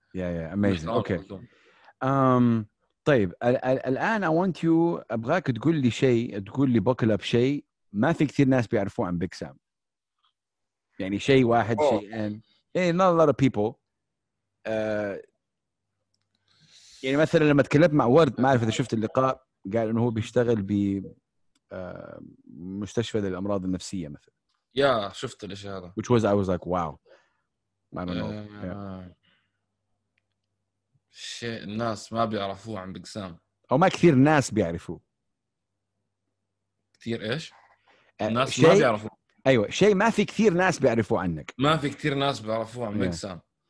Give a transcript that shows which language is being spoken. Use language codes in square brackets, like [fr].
[ar] يا اميزنج اوكي طيب الآن [en] I want you [ar] أبغاك تقول لي شيء تقول لي بوكل أب شيء ما في كثير ناس بيعرفوا عن بيك سام يعني شيء واحد شيئين [en] not a lot of people [ar] يعني مثلا لما تكلمت مع ورد ما اعرف اذا شفت اللقاء, قال انه هو بيشتغل ب مستشفى للامراض النفسيه مثلا. يا شفت الاشي هذا [en] which was I was like wow I don't know. [ar] شيء الناس ما بيعرفوه عن بقسام او ما كثير ناس بيعرفوه كثير. ايش الناس شي... ما بيعرفوه. ايوه شيء ما في كثير ناس بيعرفوه عنك. ما في كثير ناس بيعرفوه عن بقسام.